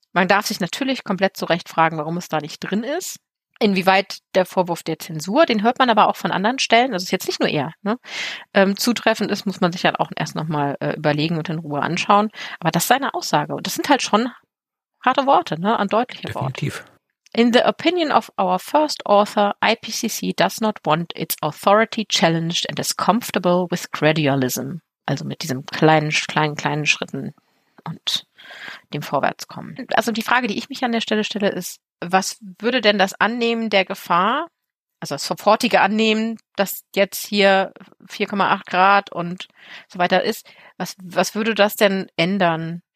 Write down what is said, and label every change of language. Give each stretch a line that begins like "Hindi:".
German: Man darf sich natürlich komplett zu Recht fragen, warum es da nicht drin ist. Inwieweit der Vorwurf der Zensur, den hört man aber auch von anderen Stellen, also ist jetzt nicht nur er, ne, zutreffend ist, muss man sich halt auch erst nochmal überlegen und in Ruhe anschauen. Aber das ist seine Aussage. Und das sind halt schon harte Worte, ne, an deutliche Worte. Definitiv. Wort.
English: In the opinion of our first author, IPCC does not want its authority challenged and is comfortable with gradualism.
German: Also mit diesem kleinen Schritten und dem Vorwärtskommen. Also die Frage, die ich mich an der Stelle stelle, ist, was würde denn das Annehmen der Gefahr, also das sofortige Annehmen, dass jetzt hier 4,8 Grad und so weiter ist, was würde das denn ändern?